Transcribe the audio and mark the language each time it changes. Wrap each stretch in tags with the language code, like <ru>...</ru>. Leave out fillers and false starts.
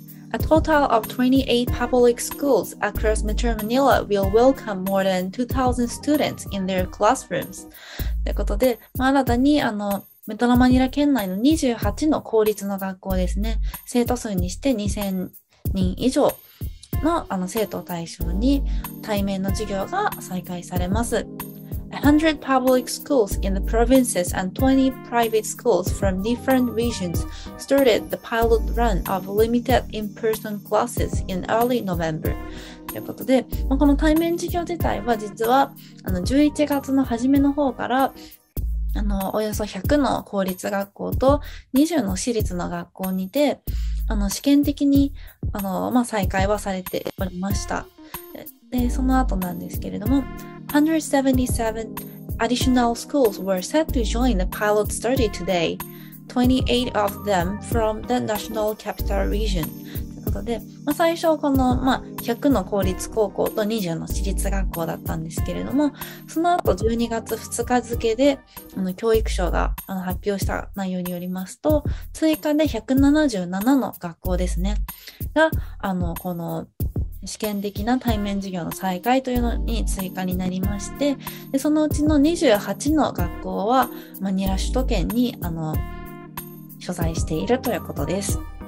<en>A total of 28 public schools across Metro Manila will welcome more than 2,000 students in their classrooms.</en> <ja>ということで、まあ、新たにあのメトロマニラ県内の28の公立の学校ですね、生徒数にして2000人以上 の、 あの生徒を対象に対面の授業が再開されます。</ja> <en>100 public schools in the provinces and 20 private schools from different regions started the pilot run of limited in-person classes in early November.</en> <ja>ということで、この対面授業自体は実は11月の初めの方からおよそ100の公立学校と20の私立の学校にて試験的に再開はされておりました。で、その後なんですけれども、</ja> <en>177 additional schools were set to join the pilot study today, 28 of them from the National Capital Region.</en> <ja>ということで、まあ、最初この、まあ、100の公立高校と20の私立学校だったんですけれども、その後12月2日付で教育省が発表した内容によりますと、追加で177の学校ですね、が、この、試験的な対面授業の再開というのに追加になりまして、でそのうちの28の学校はマニラ首都圏に所在しているということです。</ja>